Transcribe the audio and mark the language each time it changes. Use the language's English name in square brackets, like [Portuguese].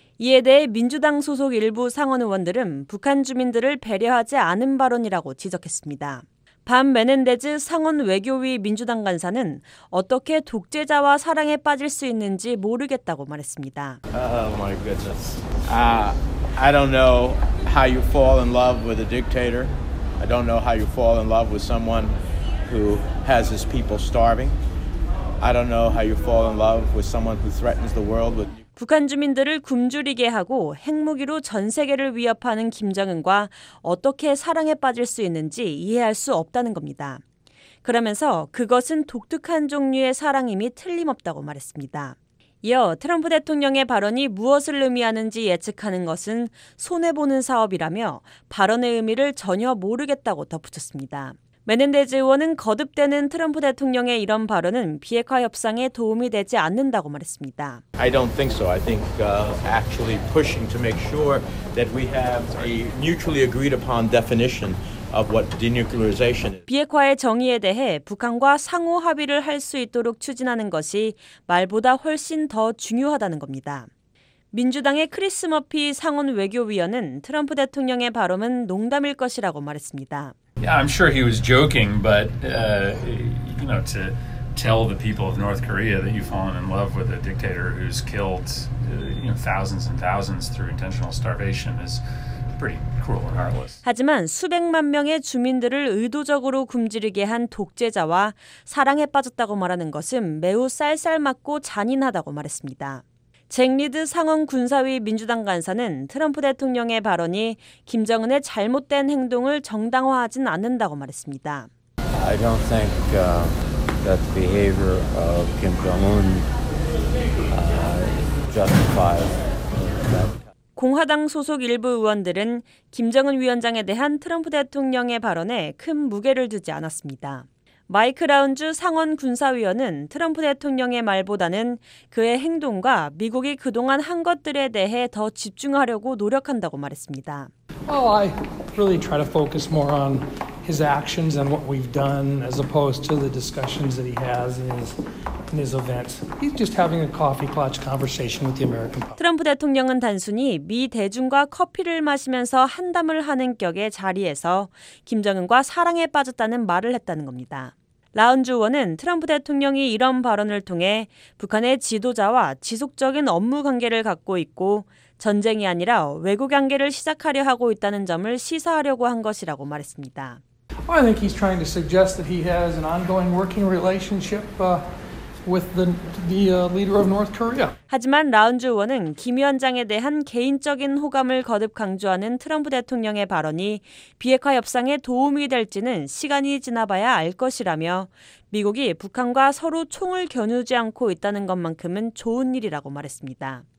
[Korean] 이에 대해 민주당 소속 일부 상원 의원들은 북한 주민들을 배려하지 않은 발언이라고 지적했습니다. 밤 메넨데즈 상원 외교위 민주당 간사는 어떻게 독재자와 사랑에 빠질 수 있는지 모르겠다고 말했습니다. [English] Oh my goodness. I don't know how you fall in love with a dictator. I don't know how you fall in love with someone who has his people starving. I don't know how you fall in love with someone who threatens the world with [Korean] 북한 주민들을 굶주리게 하고 핵무기로 전 세계를 위협하는 김정은과 어떻게 사랑에 빠질 수 있는지 이해할 수 없다는 겁니다. 그러면서 그것은 독특한 종류의 사랑임이 틀림없다고 말했습니다. 이어 트럼프 대통령의 발언이 무엇을 의미하는지 예측하는 것은 손해보는 사업이라며 발언의 의미를 전혀 모르겠다고 덧붙였습니다. 메넨데즈 의원은 거듭되는 트럼프 대통령의 이런 발언은 비핵화 협상에 도움이 되지 않는다고 말했습니다. [English] I don't think so. I think actually pushing to make sure that we have a mutually agreed upon definition of what denuclearization is. [Korean] 비핵화의 정의에 대해 북한과 상호 합의를 할 수 있도록 추진하는 것이 말보다 훨씬 더 중요하다는 겁니다. 민주당의 크리스 머피 상원 외교위원은 트럼프 대통령의 발언은 농담일 것이라고 말했습니다. [English] Yeah, I'm sure he was joking, but you know, to tell the people of North Korea that you've fallen in love with a dictator who's killed you know, thousands and thousands through intentional starvation is pretty cruel and heartless. [Korean] 하지만 수백만 명의 주민들을 의도적으로 굶주리게 한 독재자와 사랑에 빠졌다고 말하는 것은 매우 쌀쌀맞고 잔인하다고 말했습니다. 잭 리드 상원 군사위 민주당 간사는 트럼프 대통령의 발언이 김정은의 잘못된 행동을 정당화하진 않는다고 말했습니다. [English] I don't think that the behavior of Kim Jong-un justifies that. [Korean] 공화당 소속 일부 의원들은 김정은 위원장에 대한 트럼프 대통령의 발언에 큰 무게를 두지 않았습니다. 마이크 라운주 상원 군사위원은 트럼프 대통령의 말보다는 그의 행동과 미국이 그동안 한 것들에 대해 더 집중하려고 노력한다고 말했습니다. [English] Well, I really try to focus more on his actions and what we've done as opposed to the discussions that he has in his events. He's just having a coffee clutch conversation with the American public. [Korean] 트럼프 대통령은 단순히 미 대중과 커피를 마시면서 한담을 하는 격의 자리에서 김정은과 사랑에 빠졌다는 말을 했다는 겁니다. 라운주 의원은 트럼프 대통령이 이런 발언을 통해 북한의 지도자와 지속적인 업무 관계를 갖고 있고 전쟁이 아니라 외교 관계를 시작하려 하고 있다는 점을 시사하려고 한 것이라고 말했습니다. [English] I think he's trying to suggest that he has an ongoing working relationship with the leader of North Korea. [Korean] 하지만 라운즈 의원은 김 위원장에 대한 개인적인 호감을 거듭 강조하는 트럼프 대통령의 발언이 비핵화 협상에 도움이 될지는 시간이 지나봐야 알 것이라며 미국이 북한과 서로 총을 겨누지 않고 있다는 것만큼은 좋은 일이라고 말했습니다.